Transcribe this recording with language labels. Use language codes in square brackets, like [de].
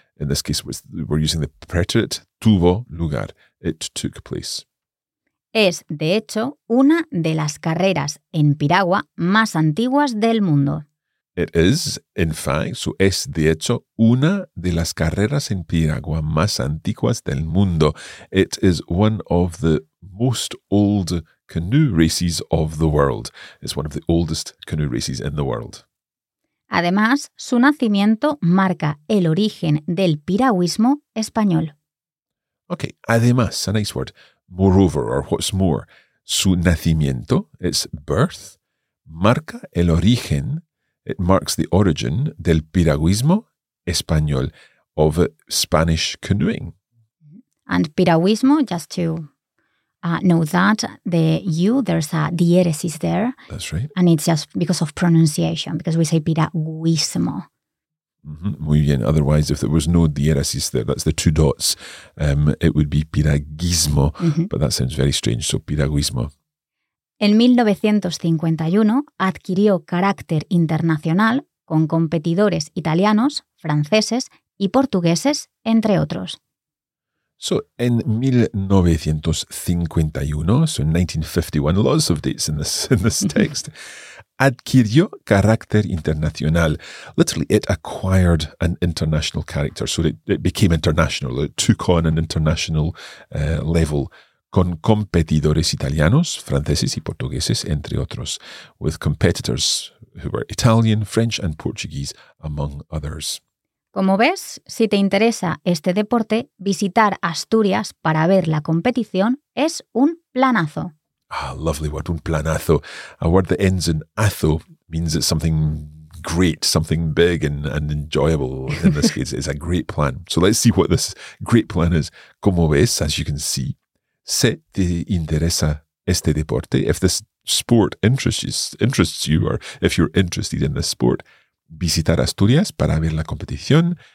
[en] In this case, we're using the preterite, [es] tuvo lugar, [en] it took place. [es] Es, de hecho, una de las carreras en piragua más antiguas del mundo. [en] It is, in fact, so [es] es, de hecho, una de las carreras en piragua más antiguas del mundo. [en] It is one of the most old canoe races of the world. It's one of the oldest canoe races in the world. [es] Además, su nacimiento marca el origen del piragüismo español. [en] Okay, además, a nice word. Moreover, or what's more, [es] su nacimiento, [en] its birth, [es] marca el origen, [en] it marks the origin [es] del piragüismo español, [en] of Spanish canoeing. And piragüismo, just to know that, the U, there's a diéresis there. That's right. And it's just because of pronunciation, because we say piragüismo. [es] Mm-hmm. Muy bien. [en] Otherwise, if there was no diéresis there, that's the two dots, it would be piragüismo. Mm-hmm. But that sounds very strange, so piragüismo. [es] En 1951 adquirió carácter internacional con competidores italianos, franceses y portugueses, entre otros. [en] So, en 1951, lots of dates in this text, [es] adquirió carácter internacional. [en] Literally, it acquired an international character, so it became international, it took on an international level. [es] Con competidores italianos, franceses y portugueses, entre otros. [en] With competitors who were Italian, French and Portuguese, among others. [es] Como ves, si te interesa este deporte, visitar Asturias para ver la competición es un planazo. [en] Ah, lovely word, un planazo. A word that ends in azo means it's something great, something big and enjoyable. In this case, it's a great plan. So let's see what this great plan is. [es] Como ves, [en] as you can see, [es] si te interesa este deporte, [en] if this sport interests you, or if you're interested in this sport, [es] visitar Asturias para ver la competición.